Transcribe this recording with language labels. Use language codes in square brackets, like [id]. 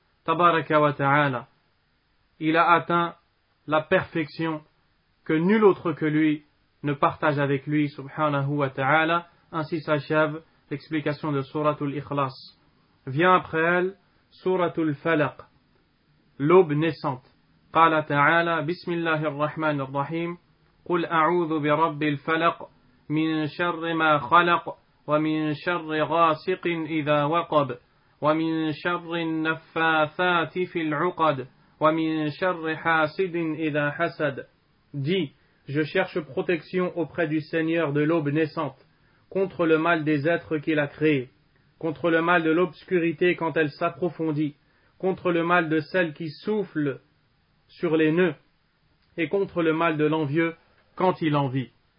[ar] Tabaraka wa ta'ala. [fr] Il a atteint la perfection que nul autre que lui ne partage avec lui, [ar] subhanahu wa ta'ala. [fr] Ainsi s'achève l'explication de Suratul Ikhlas. Vient après elle Suratul Falaq, l'aube naissante. [ar] قال تعالى بسم الله الرحمن الرحيم قل أعوذ برب الفلق من شر ما خلق ومن شر غاسق إذا وقب ومن شر النفاثات في العقد ومن شر حاسد إذا حسد. [fr] Dit, je cherche protection auprès du Seigneur de l'aube naissante, contre le mal des êtres qu'il a créés, contre le mal de l'obscurité quand elle s'approfondit, contre le mal de celle qui souffle sur les nœuds, et contre le mal de l'envieux quand il en vit.